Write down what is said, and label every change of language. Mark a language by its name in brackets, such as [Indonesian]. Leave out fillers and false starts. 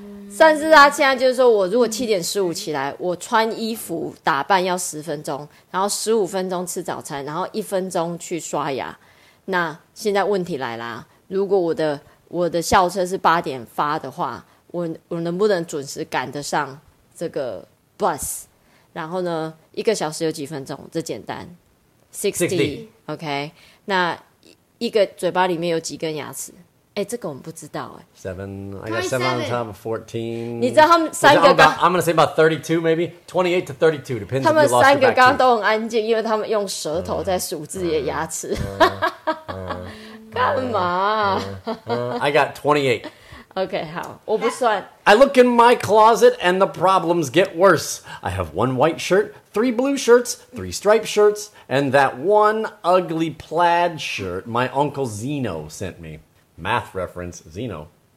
[Chinese] 算是他现在就是说我如果7:15起来我穿衣服打扮要10分钟然后15分钟吃早餐然后1分钟去刷牙那现在问题来啦如果我的校车是8点发的话我能不能准时赶得上这个 bus 然后呢1个小时有几分钟这简单 60 OK 那一个嘴巴里面有几根牙齿欸这个我们不知道欸 [English] 7 I got 7 on top of 14 [Chinese] 你知道他们三个刚 [English] I'm going to say about 32 maybe 28 to 32 depends [Chinese] 他们三个刚刚都很安静因为他们用舌头在数自己的牙齿干嘛 [English] I got 28 [Chinese] OK 好我不算 [English] I look in my closet and the problems get worse I have 1 white shirt 3 blue shirts 3 striped shirts and that 1 ugly plaid shirt my uncle Zeno sent meMath reference, Zeno.